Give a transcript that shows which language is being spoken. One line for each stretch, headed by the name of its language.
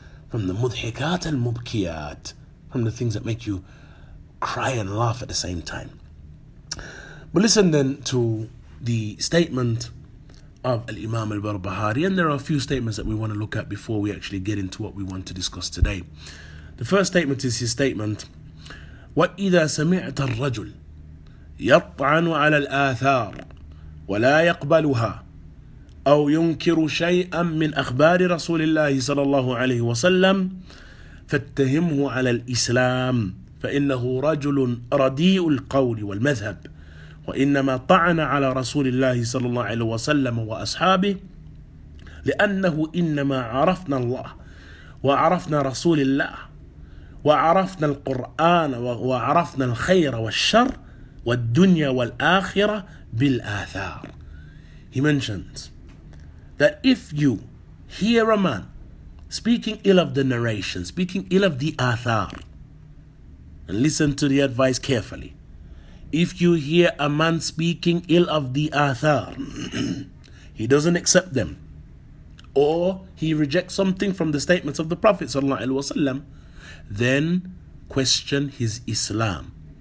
English: From the mudhikat al-mubkiyat, from the things that make you cry and laugh at the same time. But listen then to the statement of Al-Imam Al-Barbahari, and there are a few statements that we want to look at before we actually get into what we want to discuss today. The first statement is his statement,
Arabic: وَإِذَا سَمِعْتَ الرَّجُلِ يَطْعَنُ عَلَى الْآثَارِ وَلَا يَقْبَلُهَا أَوْ يُنْكِرُ شَيْئًا مِّنْ أَخْبَارِ رَسُولِ اللَّهِ صَلَى اللَّهُ عَلَيْهِ وَسَلَّمْ فَاتَّهِمْهُ عَلَى الْإِسْلَامِ فإنه رجل رديء القول والمذهب وإنما طعن على رسول الله صلى الله عليه وسلم وأصحابه لأنه إنما عرفنا الله وعرفنا رسول الله وعرفنا القرآن وعرفنا الخير والشر والدنيا والآخرة بالآثار.
English: He mentions that if you hear a man speaking ill of the narration, speaking ill of the آثار, and listen to the advice carefully. If you hear a man speaking ill of the athar, he doesn't accept them, or he rejects something from the statements of the Prophet ﷺ, then question his Islam.